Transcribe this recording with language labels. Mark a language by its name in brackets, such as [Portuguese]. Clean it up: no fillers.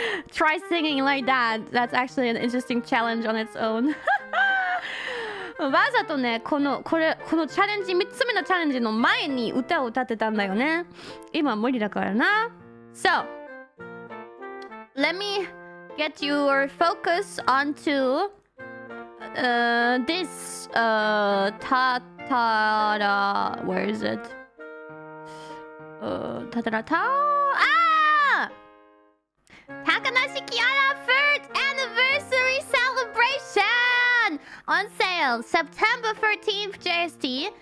[English] Try singing like that. That's actually an interesting challenge on its own. [Japanese] わざとね、この、これ、このチャレンジ、3つ目のチャレンジの前に歌を歌ってたんだよね。今は無理だからな。 [English] So, let me get your focus onto this tatara. Where is it? Tatarata. Ah! Takanashi Kiara first anniversary celebration on sale September 13th JST.